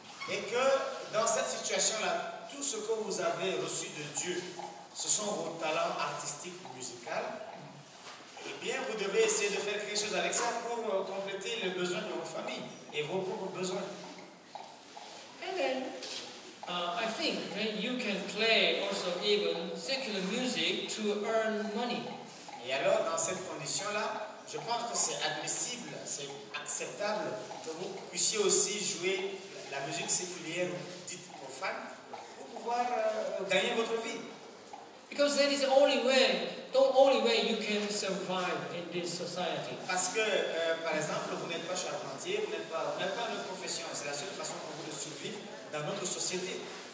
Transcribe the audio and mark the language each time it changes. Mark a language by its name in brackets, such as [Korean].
[French] Et que dans cette situation-là, tout ce que vous avez reçu de Dieu, ce sont vos talents artistiques ou musicaux. Eh bien, vous devez essayer de faire quelque chose avec ça pour compléter les besoins de votre famille et vos propres besoins. [English] And And then I think that you can play also even secular music to earn money. [French] Et alors dans cette condition là, je pense que c'est admissible, c'est acceptable que vous puissiez aussi jouer la musique séculière dite profane pour pouvoir gagner votre vie. [English] Because that is the only way you can survive in this society. [French] Parce que par exemple, vous n'êtes pas charpentier, vous n'êtes pas une profession, c'est la seule façon pour vous de survivre dans notre société.